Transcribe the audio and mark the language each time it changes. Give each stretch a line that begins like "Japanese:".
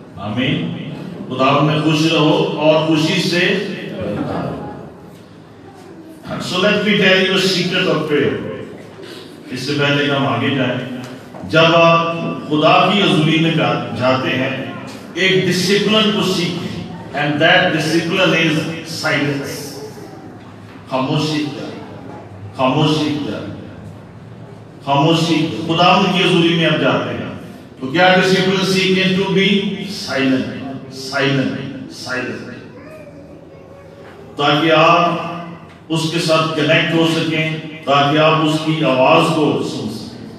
Urdu: آمین۔ خدا میں خوش رہو اور خوشی سے للکارو۔
English: So let me tell you a secret of prayer.
Urdu: اس سے پہلے کہ ہم آگے جائیں، جب آپ خدا کی حضوری میں جاتے ہیں ایک ڈسپلن کو سیکھیں،
English: And that discipline is silence.
Urdu: خاموشی کیا خاموشی کیا خاموشی خداوند کی حضوری میں اب جاتے ہیں تو کیا ڈسپلن سیکھیں
English: to be silent silent silent
Urdu: تاکہ آپ اس کے ساتھ کنیکٹ ہو سکیں تاکہ آپ اس کی آواز کو سن سکیں